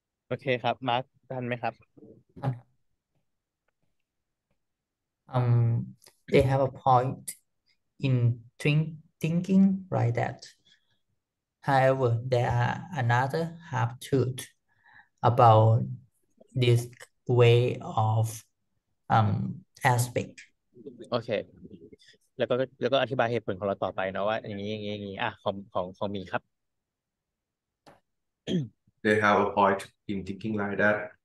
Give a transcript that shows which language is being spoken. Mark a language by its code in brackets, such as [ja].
[th] โอเคครับมาร์คทันไหมครับ [en] They have a point in thinking like that. However, there are another half truth about this way of aspect. [th] โอเคแล้วก็อธิบายเหตุผลของเราต่อไปนะว่าอย่างนี้อย่างนี้อย่างนี้อ่ะของมีครับ [en] They have a point in thinking like that.